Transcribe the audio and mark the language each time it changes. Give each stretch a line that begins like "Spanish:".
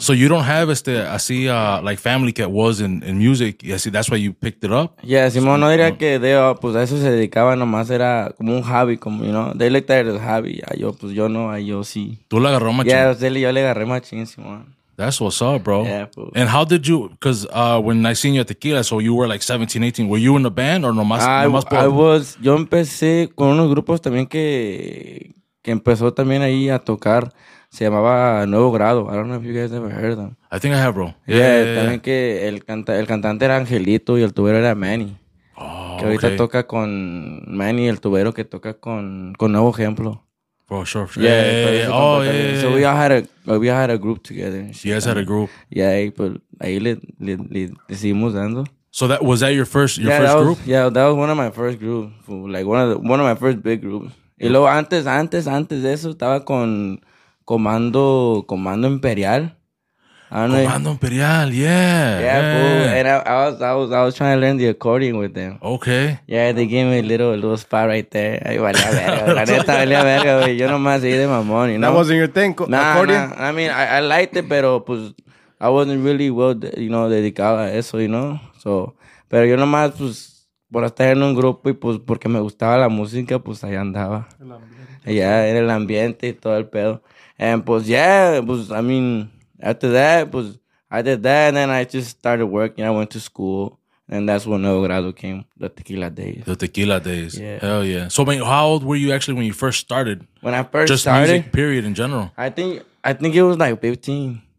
English: So you don't have like family that was in music. Yeah, see, that's why you picked it up?
Spanish: Yeah, Simón, so, no diría que de, pues a eso se dedicaba nomás. Era como un hobby, como,
English: you know. They looked at it as a hobby.
Spanish: Yo sí. ¿Tú le agarró machín? Yeah, yo le agarré machín, Simón.
English: That's what's up, bro. Yeah, fool. And how did you, because when I seen you at Tequila, so you were like 17, 18, were you in the band or nomás?
Spanish: Yo empecé con unos grupos también que empezó también ahí a tocar. Se llamaba Nuevo Grado.
English: I don't know if you guys ever heard them. I think I have, bro.
Spanish: También que el cantante era Angelito y el tubero era Manny. Oh, que ahorita toca con Manny, el tubero que toca con Nuevo Ejemplo.
English: Oh, sure. We all had a group together. You guys had a group.
Spanish: Yeah, but ahí le seguimos dando.
English: So that was that your first group? Yeah, that was one of my first group. Like one of my first big groups.
Spanish: Y luego antes de eso estaba con Comando Imperial. Comando Imperial, yeah.
English: Fool. And I was trying to learn the accordion with them. Okay. Yeah, they gave me a little spot right there.
Spanish: Ay, valía verga. La neta, valía verga, güey. Yo nomás ahí de mamón,
English: you know? That wasn't your thing, accordion? Nah. I mean, I liked it,
Spanish: pero pues,
English: I wasn't really well, you know,
Spanish: dedicado a eso,
English: you know?
Spanish: So, pero yo nomás, pues, por estar en un grupo y pues, porque me gustaba la música, pues, ahí andaba. El ambiente. Yeah, era el ambiente y todo el pedo.
English: And pues, yeah, pues, I mean... After that, pues, I did that, and then I just started working. I went to school, and that's when Nuevo Grado came, the Tequila days. The Tequila days. Yeah. Hell yeah. So, man, how old were you actually when you first started? When I first just started? Just music, period, in general. I think it was, like, 15.